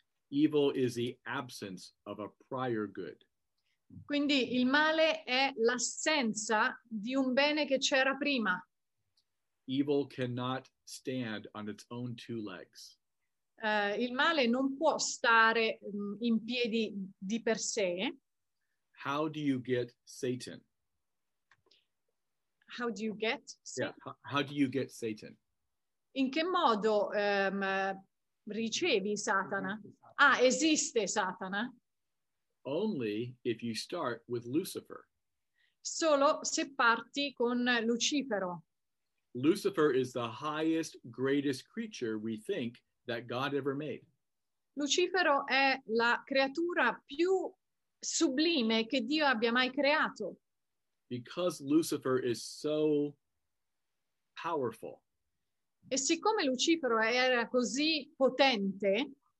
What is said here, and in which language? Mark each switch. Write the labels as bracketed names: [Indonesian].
[English] Evil is the absence of a prior good. [Italian] Quindi il male è l'assenza di un bene che c'era prima. [English] Evil cannot stand on its own two legs. [Italian] Il male non può stare in piedi di per sé. [English] How do you get Satan? How do you get Satan? Yeah, how do you get Satan? [Italian] In che modo ricevi Satana? Ah, esiste Satana? [English] Only if you start with Lucifer. [Italian] Solo se parti con Lucifero. [English] Lucifer is the highest, greatest creature we think that God ever made. [Italian] Lucifero è la creatura più sublime che Dio abbia mai creato. [English] Because Lucifer is so powerful. [Italian] E siccome Lucifero era così potente,